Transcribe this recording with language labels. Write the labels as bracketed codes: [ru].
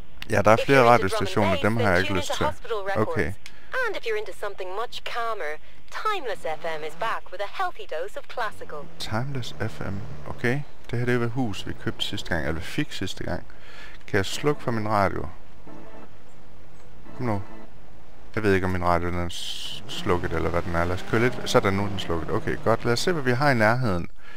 [da] Ja, der er flere radiostationer, dem har jeg ikke lyst til. Okay. [en] And if you're into something much calmer, Timeless FM is back with a healthy dose of classical. Timeless FM. Okay. [da] Det her, det er ved hus, vi købte sidste gang, eller vi fik sidste gang. Kan jeg slukke for min radio? Kom nu. Jeg ved ikke, om min radio er slukket, eller hvad den er. Lad os køre lidt. Så er der nu den slukket. Okay, godt. Lad os se, hvad vi har i nærheden.